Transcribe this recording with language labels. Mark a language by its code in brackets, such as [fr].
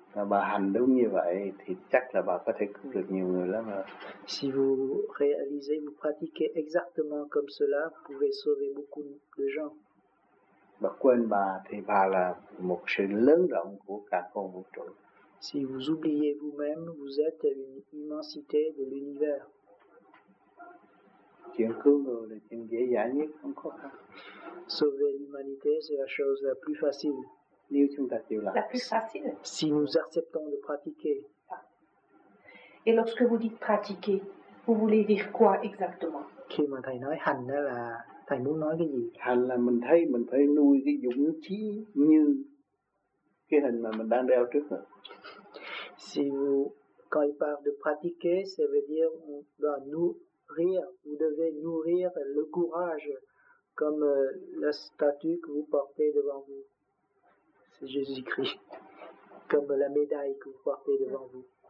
[vi] Bà hành đúng như vậy thì chắc là bà có thể cứu được nhiều người lắm rồi. [fr] Si vous réalisez, vous pratiquez exactement comme cela, vous pouvez sauver beaucoup de gens. [vi] Bà quên bà thì bà là một sự lớn rộng của cả con vũ trụ. [fr] Si vous oubliez vous-même, vous êtes une immensité de l'univers. [vi] Chuyện cứu người là chuyện dễ dàng nhất, không khó khăn. [fr] Sauver l'humanité, c'est la chose la plus facile. [vi] Nếu chúng ta chịu làm. [fr] La plus facile. Si nous acceptons de pratiquer. Et lorsque vous dites pratiquer, vous voulez dire quoi exactement? [vi] Khi mà thầy nói hành đó là thầy muốn nói cái gì? Hành là mình phải nuôi cái dũng trí như cái hình mà mình đang đeo trước rồi. [fr] Si vous, quand il parle de pratiquer, ça veut dire on doit nourrir, vous devez nourrir le courage comme la statue que vous portez devant vous. C'est Jésus-Christ, comme la médaille que vous portez devant vous.